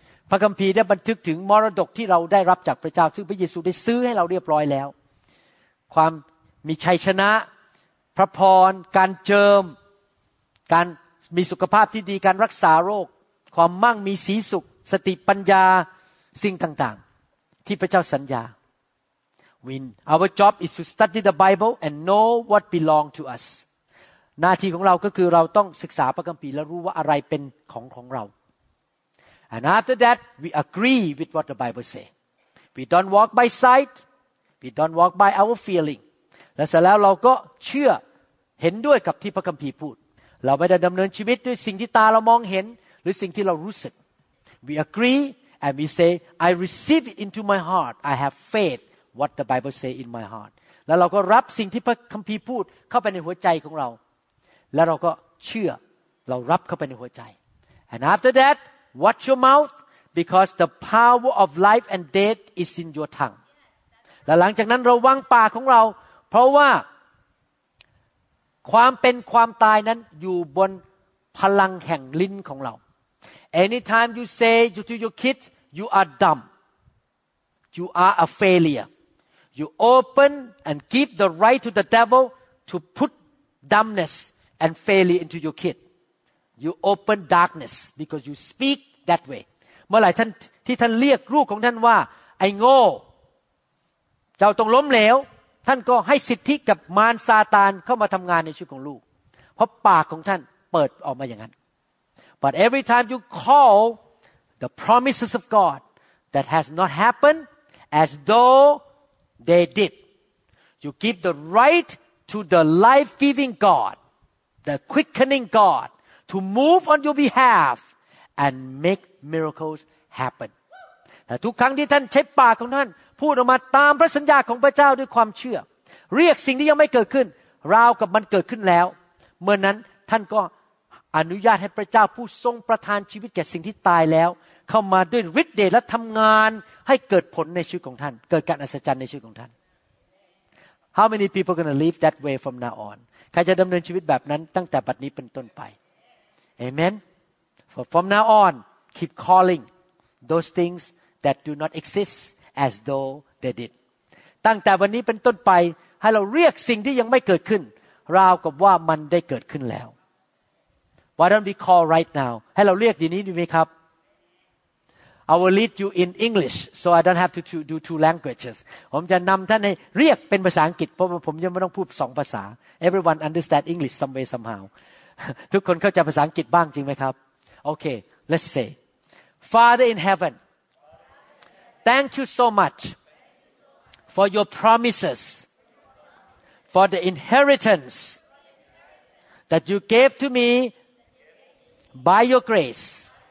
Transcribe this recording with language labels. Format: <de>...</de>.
<th>พระคัมภีร์ได้บันทึกถึงมรดกที่เราได้รับจากพระเจ้าซึ่งพระเยซูได้ซื้อให้เราเรียบร้อยแล้วความมีชัยชนะพระพรการเจิมการมีสุขภาพที่ดีการรักษาโรคความมั่งมีสีสุขสติปัญญาสิ่งต่างๆที่พระเจ้าสัญญา</th> <en>Win. Our job is to study the Bible and know what belongs to us.</en> <th>หน้าที่ของเราก็คือเราต้องศึกษาพระคัมภีร์และรู้ว่าอะไรเป็นของเรา</th> <en>And after that, we agree with what the Bible says. We don't walk by sight. We don't walk by our feeling.</en> <th>และเสร็จแล้วเราก็เชื่อเห็นด้วยกับที่พระคัมภีร์พูดเราไม่ได้ดำเนินชีวิตด้วยสิ่งที่ตาเรามองเห็นหรือสิ่งที่เรารู้สึก</th> <en>We agree and we say, I receive it into my heart. I have faith. What the Bible say in my heart.</en> <th>แล้วเราก็รับสิ่งที่พระคัมภีร์พูดเข้าไปในหัวใจของเราแล้วเราก็เชื่อเรารับเข้าไปในหัวใจ</th> <en>And after that, watch your mouth because the power of life and death is in your tongue.</en> <th>และหลังจากนั้นระวังปากของเราเพราะว่าความเป็นความตายนั้นอยู่บนพลังแห่งลิ้นของเรา</th> <en>Anytime you say to your kids, you are dumb. You are a failureYou open and give the right to the devil to put dumbness and failure into your kid. You open darkness because you speak that way.</en> <th>เมื่อไหร่ท่านเรียกลูกของท่านว่าไอ้โง่เจ้าต้องล้มเหลวท่านก็ให้สิทธิกับมารซาตานเข้ามาทำงานในชีวิตของลูกเพราะปากของท่านเปิดออกมาอย่างนั้น</th> <en>But every time you call the promises of God that has not happened as thoughThey did. You give the right to the life-giving God, the quickening God, to move on your behalf and make miracles happen.</en> <th>แต่ทุกครั้งที่ท่านใช้ปากของท่านพูดออกมาตามพระสัญญาของพระเจ้าด้วยความเชื่อเรียกสิ่งที่ยังไม่เกิดขึ้นราวกับมันเกิดขึ้นแล้วเมื่อนั้นท่านก็ อนุญาตให้พระเจ้าผู้ทรงประทานชีวิตแก่สิ่งที่ตายแล้วเข้ามาด้วยฤทธิ์เดชและทำงานให้เกิดผลในชีวิตของท่านเกิดการอัศจรรย์ในชีวิตของท่าน</th> <en>How many people are going to live that way from now on</en> <th>ใครจะดำเนินชีวิตแบบนั้นตั้งแต่บัดนี้เป็นต้นไป</th> <en>Amen For from now on keep calling those things that do not exist as though they did</en> <th>ตั้งแต่วันนี้เป็นต้นไปให้เราเรียกสิ่งที่ยังไม่เกิดขึ้นราวกับว่ามันได้เกิดขึ้นแล้ว</th> <en>Why don't we call right now</en> <th>ให้เราเรียกดีนี้ดีไหมครับ</th> <en>I will lead you in English, so I don't have to do two languages.</en> <th>ผมจะนำท่านให้เรียกเป็นภาษาอังกฤษเพราะผมยังไม่ต้องพูดสองภาษา</th> <en>Everyone understand English some way somehow.</en> <th>ทุกคนเข้าใจภาษาอังกฤษบ้างจริงไหมครับ</th> <en>Okay, let's say, Father in heaven, thank you so much for your promises, for the inheritance that you gave to me by your grace.</en>